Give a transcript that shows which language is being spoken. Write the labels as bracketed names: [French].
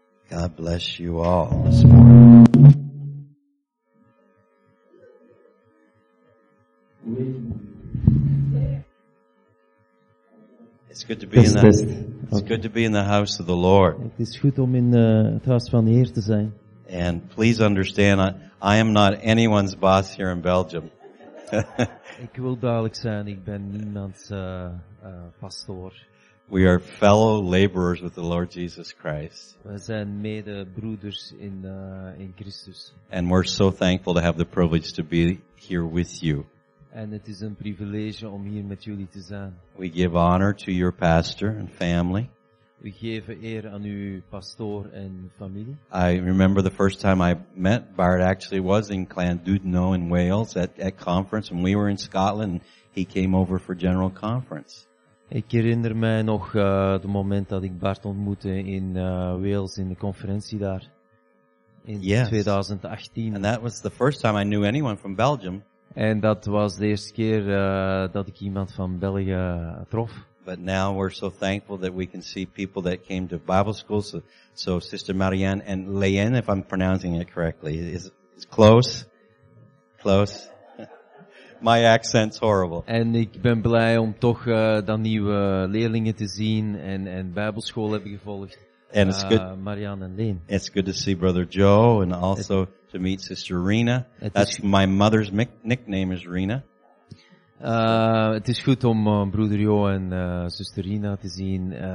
[English] God bless you all this morning. It's good to be in that. It's good to be in the house of the Lord. [Dutch] Het is goed om in het huis van de Heer te zijn. [English] And please understand, I am not anyone's boss here in Belgium. [Dutch] Ik wil duidelijk zijn, ik ben niemands pastoor. [English] We are fellow laborers with the Lord Jesus Christ. [Dutch] We zijn medebroeders in Christus. [English] And we're so thankful to have the privilege to be here with you. [Dutch] En het is een privilege om hier met jullie te zijn. [English] We give honor to your pastor and family. [Dutch] We geven eer aan uw pastoor en familie. [English] I remember the first time I met Bart actually was in Llandudno in Wales at conference, and we were in Scotland. He came over for general conference. [Dutch] Ik herinner mij nog het moment dat ik Bart ontmoette in Wales in de conferentie daar in 2018. [English] And that was the first time I knew anyone from Belgium. [Dutch] En dat was de eerste keer dat ik iemand van België trof. [English] But now we're so thankful that we can see people that came to Bible school. So Sister Marianne and Leanne, if I'm pronouncing it correctly, is close. My accent's horrible. [Dutch] En ik ben blij om toch dan nieuwe leerlingen te zien en Bijbelschool hebben gevolgd. [English] And it's good, [Dutch] Marianne en Leen. [English] It's good to see Brother Joe and also to meet Sister Rena. That's my mother's nickname is Rena. [Dutch] Het is goed om broeder Jo en zuster Rina te zien.